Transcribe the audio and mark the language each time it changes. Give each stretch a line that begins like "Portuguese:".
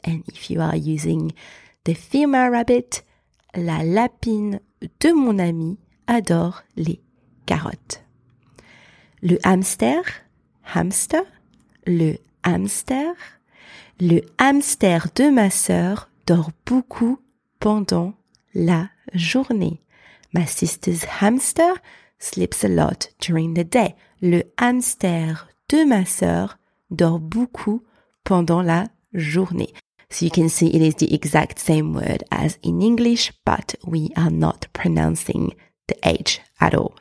English: And if you are using the female rabbit,
French: la lapine de mon ami adore les carottes. Le hamster, hamster, le hamster. Le hamster de ma sœur dort beaucoup pendant la journée.
English: My sister's hamster sleeps a lot during the day.
French: Le hamster de ma sœur dort beaucoup pendant la journée.
English: So you can see it is the exact same word as in English, but we are not pronouncing the H at all.